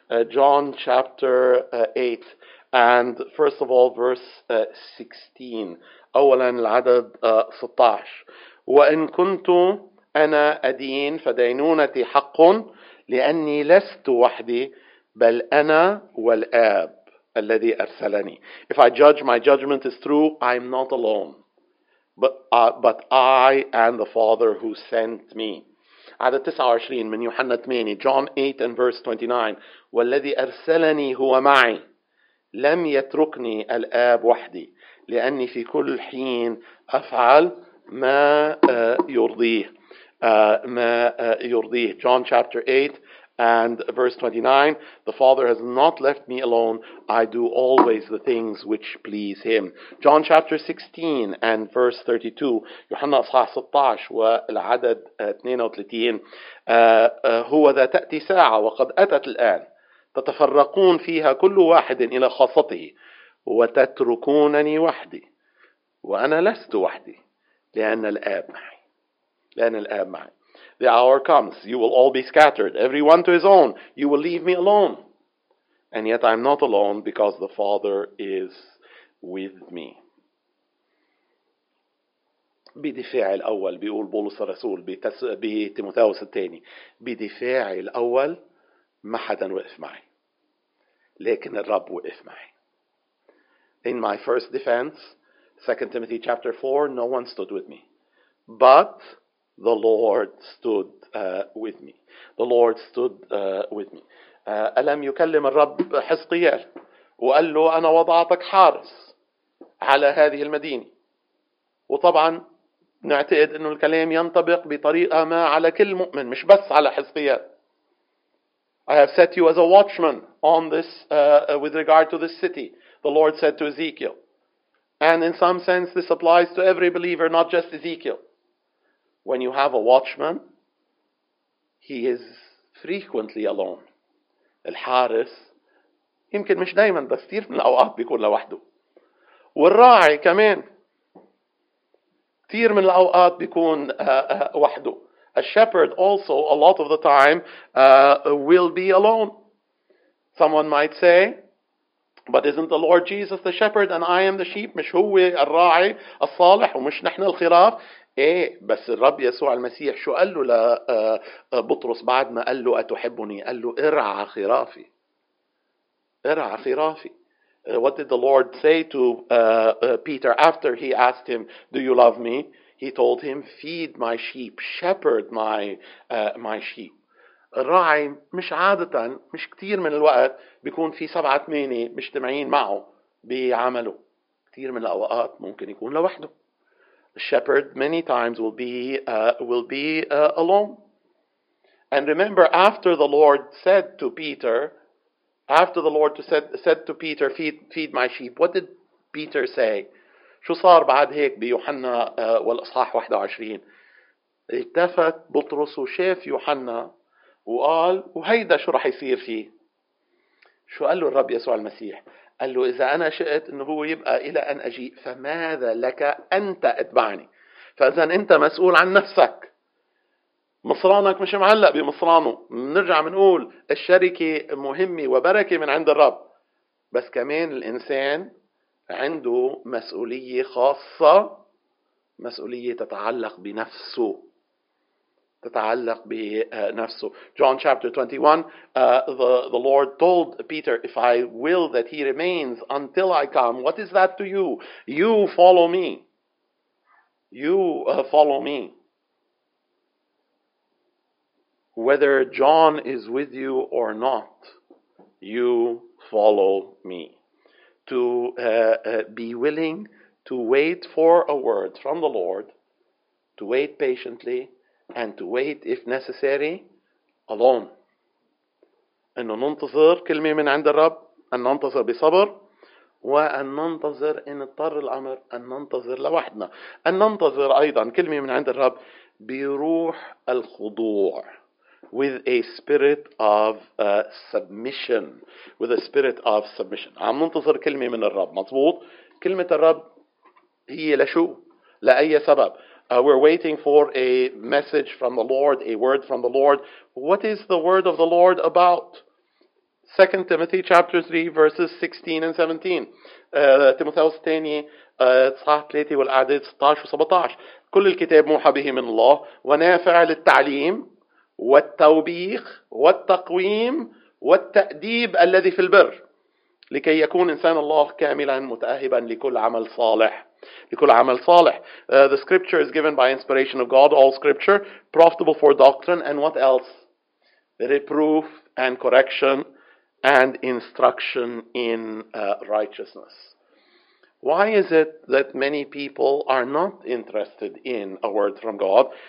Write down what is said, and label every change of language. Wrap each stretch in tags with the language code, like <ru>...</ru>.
<en>John chapter 8. And first of all, verse 16.</en> <ar>أولا العدد 16. وإن كنت أنا أدين فدينونتي حق لأني لست وحدي بل أنا والآب الذي أرسلني.</ar> <en>If I judge, my judgment is true. I'm not alone. But I and the Father who sent me.</en> <ar>عدد 29 من يوحنا 8.</ar> <en>John 8 and verse 29.</en> <ar>والذي أرسلني هو معي. لم يتركني الآب وحدي لأني في كل حين أفعل ما يرضيه ما يرضيه.</ar> <en>John chapter 8 and verse 29. The Father has not left me alone. I do always the things which please him. John chapter 16 and verse 32.</en> <ar>يوحنا أصحاح 16 والعدد 32. هو ذا تأتي ساعة وقد أتت الآن تتفرقون فيها كل واحد إلى خاصته وتتركونني وحدي وأنا لست وحدي لأن الآب معي. لأن الآب معي.</ar> <en>The hour comes. You will all be scattered. Everyone to his own. You will leave me alone. And yet I'm not alone because the Father is with me.</en> <ar>بدفاع الأول بيقول بولس الرسول بتيموثاوس الثاني. بدفاع الأول ما حدا وقف معي. لكن الرب وقف معي.</ar> <en>In my first defense, 2 Timothy chapter 4, no one stood with me. But the Lord stood with me. The Lord stood with me.</en> <ar>ألم يكلم الرب حزقيال وقال له أنا وضعتك حارس على هذه المدينة. وطبعا نعتقد أنه الكلام ينطبق بطريقة ما على كل مؤمن مش بس على حزقيال.</ar> <en>I have set you as a watchman on this with regard to this city, the Lord said to Ezekiel. And in some sense, this applies to every believer, not just Ezekiel. When you have a watchman, he is frequently alone.</en> <ar>الحارس يمكن مش دايما بس كثير من الأوقات بيكون لوحده. والراعي كمان كثير من الأوقات بيكون وحده.</ar> <en>A shepherd also, a lot of the time, will be alone. Someone might say, but isn't the Lord Jesus the shepherd and I am the sheep?</en> <ar>مش هو الراعي الصالح ومش نحن الخراف؟ إيه بس الرب يسوع المسيح شو قال له لبطرس بعد ما قال له أتحبني؟ قال له ارعى خرافي. ارعى خرافي.</ar> <en>What did the Lord say to Peter after he asked him, do you love me? He told him, feed my sheep, shepherd my sheep.</en> <ar>الراعي مش عادة مش كتير من الوقت بيكون في سبعة ثمانية مجتمعين معه بعمله. كتير من الأوقات ممكن يكون لوحده.</ar> <en>The shepherd many times will be alone. And remember, after the Lord said to Peter, after the Lord said to Peter, feed my sheep, what did Peter say?</en> <ar>شو صار بعد هيك بيوحنا والإصحاح 21؟ التفت بطرس وشاف يوحنا وقال وهيدا شو رح يصير فيه؟ شو قال له الرب يسوع المسيح؟ قال له إذا أنا شئت أنه هو يبقى إلى أن أجيء فماذا لك أنت اتبعني؟ فإذا أنت مسؤول عن نفسك. مصرانك مش معلق بمصرانه. نرجع منقول الشركة مهمة وبركة من عند الرب. بس كمان الإنسان عنده مسؤولية خاصة، مسؤولية تتعلق بنفسه، تتعلق بنفسه.</ar> <en>John chapter 21, the Lord told Peter, if I will that he remains until I come, what is that to you? You follow me. You follow me. Whether John is with you or not, you follow me. To be willing to wait for a word from the Lord, to wait patiently, and to wait, if necessary, alone.</en> <ar>أنه ننتظر كلمة من عند الرب، أن ننتظر بصبر، وأن ننتظر إن اضطر الأمر أن ننتظر لوحدنا، أن ننتظر أيضا كلمة من عند الرب بروح الخضوع،</ar> <en>with a spirit of submission،</en> <ar>with a spirit of submission. عم ننتظر كلمة من الرب، مظبوط؟ كلمة الرب هي لشو؟ لأي سبب؟</ar> <en>We're waiting for a message from the Lord, a word from the Lord. What is the word of the Lord about? 2 Timothy chapter 3 verses 16 and 17.</en> <ar>تيموثاوس الثاني اصحاح 3 والاعداد 16 و17. كل الكتاب موحى به من الله ونافع للتعليم والتوبيخ والتقويم والتأديب الذي في البر لكي يكون انسان الله كاملا متأهبا لكل عمل صالح. لكل عمل صالح.</ar> <en>The scripture is given by inspiration of God, all scripture profitable for doctrine and what else? Reproof and correction and instruction in righteousness. Why is it that many people are not interested in a word from God?</en>